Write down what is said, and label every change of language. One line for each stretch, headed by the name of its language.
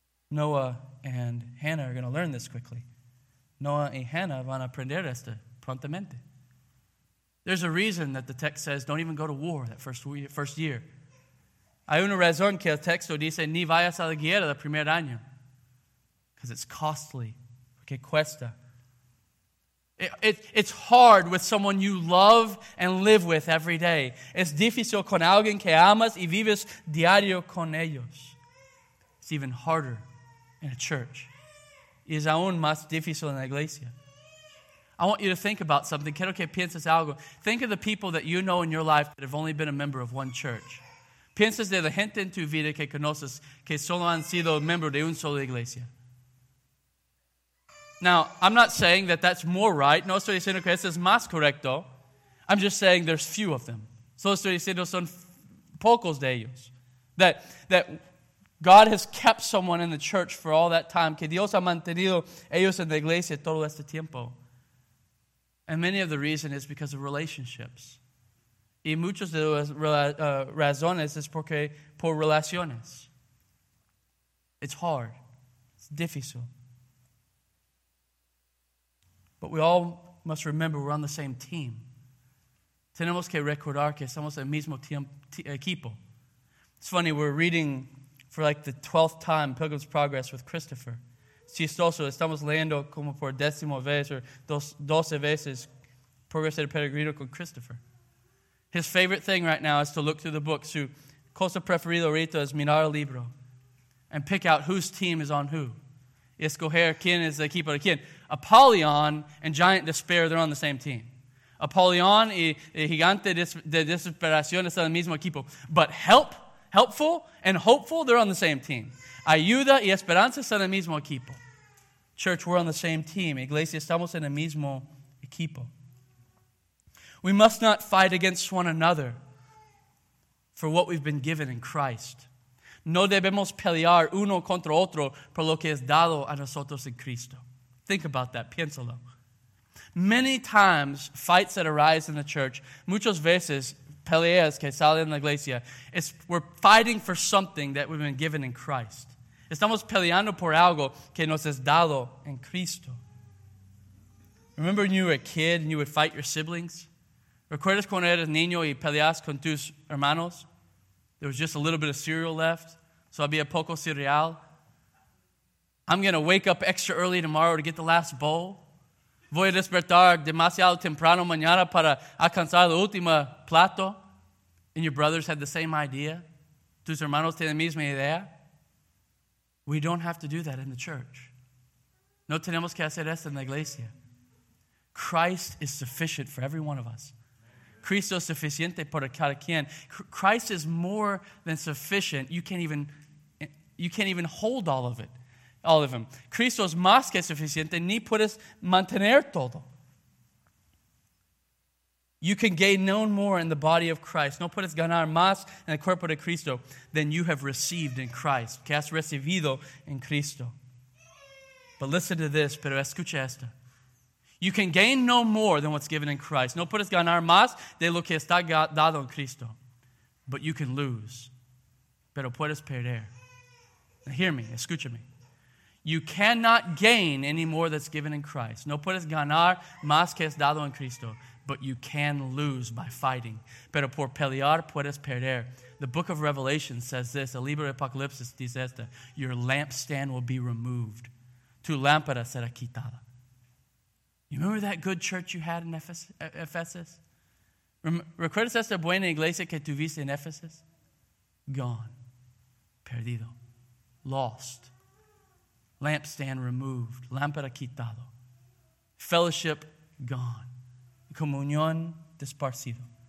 English: Noah and Hannah are going to learn this quickly.
Spanish: Noah y Hannah van a aprender esto prontamente.
English: There's a reason that the text says don't even go to war that first year.
Spanish: Hay una razón que el texto dice ni vayas a la guerra el primer año.
English: Because it's costly.
Spanish: Porque cuesta.
English: It's hard with someone you love and live with every day.
Spanish: Es difícil con alguien que amas y vives diario con ellos.
English: It's even harder in a church.
Spanish: Y es aún más difícil en la iglesia.
English: I want you to think about something.
Spanish: Quiero que pienses algo.
English: Think of the people that you know in your life that have only been a member of one church.
Spanish: Piensas de la gente en tu vida que conoces que solo han sido miembro de una sola iglesia.
English: Now, I'm not saying that that's more right.
Spanish: No estoy diciendo que eso es más correcto.
English: I'm just saying there's few of them.
Spanish: Solo estoy diciendo son pocos de ellos.
English: That God has kept someone in the church for all that time.
Spanish: Que Dios ha mantenido ellos en la iglesia todo este tiempo.
English: And many of the reason is because of relationships.
Spanish: Y muchos de las razones es porque por relaciones.
English: It's hard. It's
Spanish: difícil.
English: But we all must remember we're on the same team.
Spanish: Tenemos que recordar que somos el mismo equipo.
English: It's funny, we're reading for like the 12th time Pilgrim's Progress with Christopher.
Spanish: Chistoso, estamos leyendo como por décimo vez o 12 veces Progreso del Peregrino con Christopher.
English: His favorite thing right now is to look through the book.
Spanish: Su cosa preferida ahorita es mirar el libro
English: and pick out whose team is on who.
Spanish: Escoger quién es el equipo de quién.
English: Apollyon and Giant Despair, they're on the same team.
Spanish: Apollyon y Gigante de Desesperación están en el mismo equipo.
English: But Helpful and Hopeful, they're on the same team.
Spanish: Ayuda y Esperanza están en el mismo equipo.
English: Church, we're on the same team.
Spanish: Iglesia, estamos en el mismo equipo.
English: We must not fight against one another for what we've been given in Christ.
Spanish: No debemos pelear uno contra otro por lo que es dado a nosotros en Cristo.
English: Think about that.
Spanish: Piénsalo.
English: Many times, fights that arise in the church,
Spanish: muchas veces, peleas que salen en la iglesia,
English: we're fighting for something that we've been given in Christ.
Spanish: Estamos peleando por algo que nos es dado en Cristo.
English: Remember when you were a kid and you would fight your siblings?
Spanish: ¿Recuerdas cuando eras niño y peleas con tus hermanos?
English: There was just a little bit of cereal left, so
Spanish: había poco cereal.
English: I'm going to wake up extra early tomorrow to get the last bowl.
Spanish: Voy a despertar demasiado temprano mañana para alcanzar el último plato.
English: And your brothers had the same idea.
Spanish: Tus hermanos tienen la misma idea.
English: We don't have to do that in the church.
Spanish: No tenemos que hacer eso en la iglesia.
English: Christ is sufficient for every one of us.
Spanish: Cristo es suficiente para cada quien.
English: Christ is more than sufficient. You can't even hold all of it. All of him.
Spanish: Cristo es más que suficiente. Ni puedes mantener todo.
English: You can gain no more in the body of Christ.
Spanish: No puedes ganar más en el cuerpo de Cristo
English: than you have received in Christ.
Spanish: Que has recibido en Cristo.
English: But listen to this.
Spanish: Pero escucha esto.
English: You can gain no more than what's given in Christ.
Spanish: No puedes ganar más de lo que está dado en Cristo.
English: But you can lose.
Spanish: Pero puedes perder.
English: Now hear me.
Spanish: Escucha me.
English: You cannot gain any more that's given in Christ.
Spanish: No puedes ganar más que es dado en Cristo.
English: But you can lose by fighting.
Spanish: Pero por pelear puedes perder.
English: The book of Revelation says this.
Spanish: El libro de Apocalipsis dice esto.
English: Your lampstand will be removed.
Spanish: Tu lámpara será quitada.
English: You remember that good church you had in Ephesus? ¿Recuerdas esta buena iglesia que tuviste en Ephesus? Gone.
Spanish: Perdido.
English: Lost. Lampstand removed.
Spanish: Lámpara quitado.
English: Fellowship gone.
Spanish: Comunión desparcido.